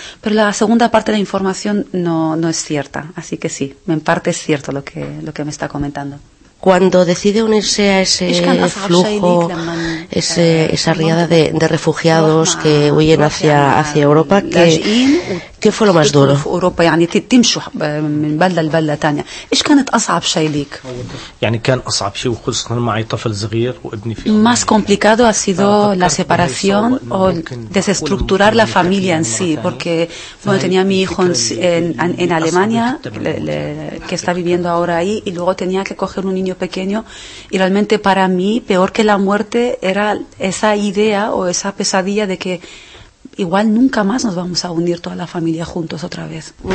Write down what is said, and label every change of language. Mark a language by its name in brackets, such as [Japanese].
[Spanish] Pero la segunda parte de la información no es cierta, así que sí, en parte es cierto lo que me está comentando. Cuando decide unirse a ese flujo, esa riada de refugiados que huyen hacia Europa, ¿qué fue lo más duro? [Arabic] Europa, يعني تمشوا من بلد لبلد تانية. إيش كانت أصعب شيء ليك؟ يعني كان أصعب شيء وخصوصا معي طفل صغير وابني في. [Spanish] Más complicado ha sido la separación o desestructurar la familia en sí, porque bueno tenía a mi hijo en Alemania que está viviendo ahora ahí y luego tenía que coger un niño pequeño y realmente para mí peor que la muerte era esa idea o esa pesadilla de que igual nunca más nos vamos a unir toda la familia juntos otra vez.